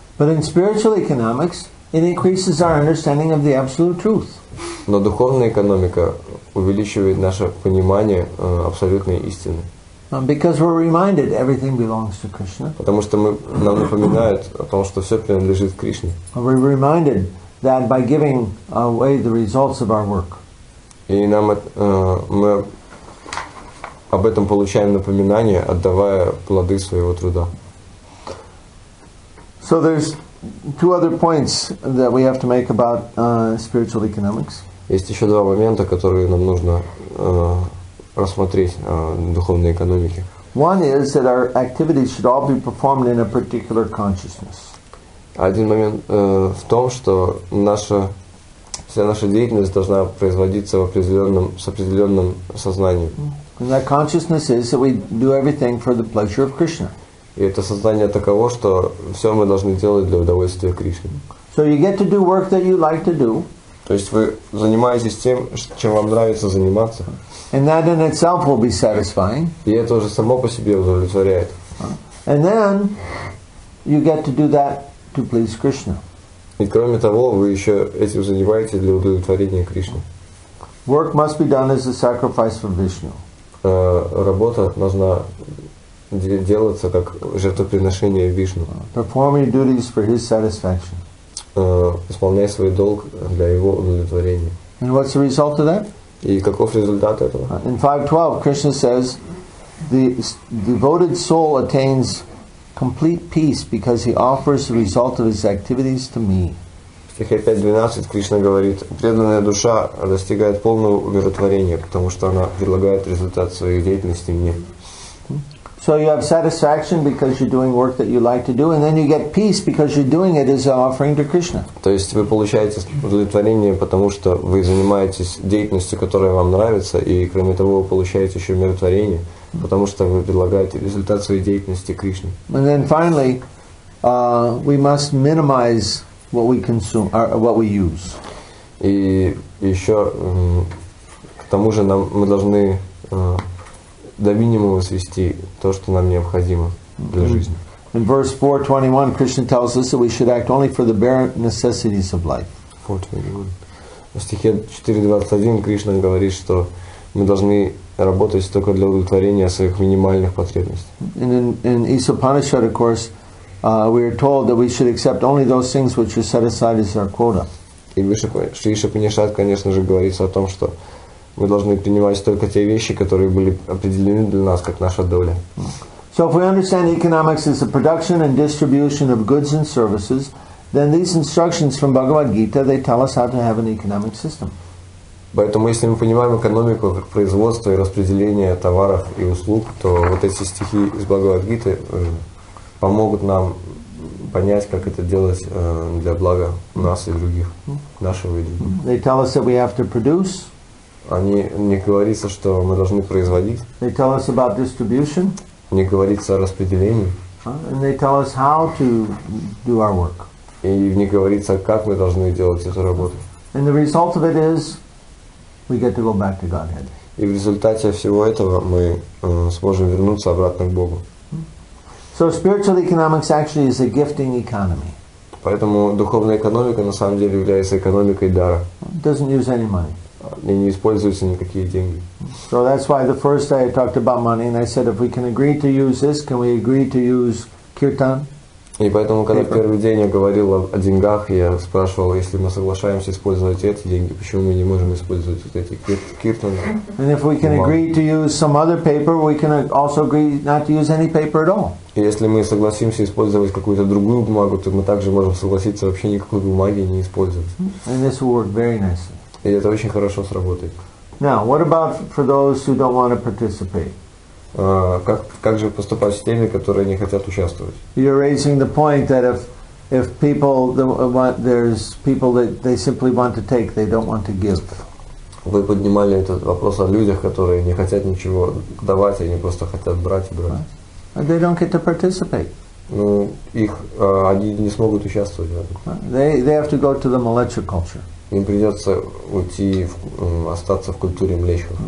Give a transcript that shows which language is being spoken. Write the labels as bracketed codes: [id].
[en] But in spiritual economics, it increases our understanding of the absolute truth. [ru] Но духовная экономика увеличивает наше понимание абсолютной истины. [en] Because we're reminded everything belongs to Krishna. [ru] Потому что нам напоминают о том, что все принадлежит Кришне. [en] We're reminded that by giving away the results of our work. [ru] И нам мы об этом получаем напоминание, отдавая плоды своего труда. [en] So there's two other points that we have to make about spiritual economics. [ru] Есть еще два момента, которые нам нужно рассмотреть в духовной экономике. [en] One is that our activities should all be performed in a particular consciousness. [ru] Один момент в том, что вся наша деятельность должна производиться с определенным сознанием. [en] And that consciousness is that we do everything for the pleasure of Krishna. [ru] И это сознание таково, что все мы должны делать для удовольствия Кришны. [en] So you get to do work that you like to do. [ru] То есть вы занимаетесь тем, чем вам нравится заниматься. [en] And that in itself will be satisfying. [ru] И это уже само по себе удовлетворяет. [en] And then you get to do that to please Krishna. [ru] И кроме того, вы еще этим занимаетесь для удовлетворения Кришны. [en] Work must be done as a sacrifice for Vishnu. [ru] Работа должна делаться как жертвоприношение Вишну. [en] Perform your duties for his satisfaction. [ru] Исполняй свой долг для его удовлетворения. [en] And what's the result of that? [ru] И каков результат этого? [en] In 5.12 Krishna says the devoted soul attains complete peace because he offers the result of his activities to me. [ru] В стихе 5.12 Кришна говорит, преданная душа достигает полного умиротворения, потому что она предлагает результат своей деятельности мне. [en] So you have satisfaction because you're doing work that you like to do, and then you get peace because you're doing it as an offering to Krishna. [ru] То есть вы получаете удовлетворение, потому что вы занимаетесь деятельностью, которая вам нравится, и кроме того вы получаете еще умиротворение, потому что вы предлагаете результат своей деятельности Кришне. [en] And then finally, we must minimize what we consume or what we use. [ru] И еще к тому же нам мы должны до минимума свести то, что нам необходимо для жизни. [en] In verse 4.21, Krishna tells us that we should act only for the bare necessities of life. [ru] 4.21. В стихе 4.21 Кришна говорит, что мы должны работать только для удовлетворения своих минимальных потребностей. [en] And in Isopanishad, of course, we are told that we should accept only those things which are set aside as our quota. [ru] И в Исопанишад, конечно же, говорится о том, что мы должны принимать только те вещи, которые были определены для нас как наша доля. [en] So if we understand economics as the production and distribution of goods and services, then these instructions from Bhagavad Gita, they tell us how to have an economic system. [ru] Поэтому если мы понимаем экономику как производство и распределение товаров и услуг, то вот эти стихи из Бхагавад Гиты помогут нам понять, как это делать для блага нас и других, нашего и других. [en] They tell us that we have to produce. [ru] Они не говорится, что мы должны производить. [en] They tell us about distribution. [ru] Не говорится о распределении. [en] And they tell us how to do our work. [ru] И не говорится, как мы должны делать эту работу. [en] And the result of it is, we get to go back to Godhead. [ru] И в результате всего этого мы сможем вернуться обратно к Богу. [en] So spiritual economics actually is a gifting economy. [ru] Поэтому духовная экономика на самом деле является экономикой дара. [en] It doesn't use any money. [ru] И не используются никакие деньги. [en] So that's why the first day I talked about money, and I said, if we can agree to use this, can we agree to use kirtan? [ru] И поэтому, когда paper. Первый день я говорил о деньгах, я спрашивал, если мы соглашаемся использовать эти деньги, почему мы не можем использовать вот эти kirtan? [en] And if we can agree to use some other paper, we can also agree not to use any paper at all. [ru] И если мы согласимся использовать какую-то другую бумагу, то мы также можем согласиться вообще никакой бумаги не использовать. [en] And this will work very nicely. [ru] И это очень хорошо сработает. [en] Now, what about for those who don't want to participate? [ru] Как же поступать с теми, которые не хотят участвовать? [en] You're raising the point that if people there's people that they simply want to take, they don't want to give. [ru] Вы поднимали этот вопрос о людях, которые не хотят ничего давать, они просто хотят брать и брать. [en] And they don't get to participate. [ru] Ну, их они не смогут участвовать в этом. [en] They have to go to the Malecha culture. [ru] Им придется уйти, остаться в культуре млечхов.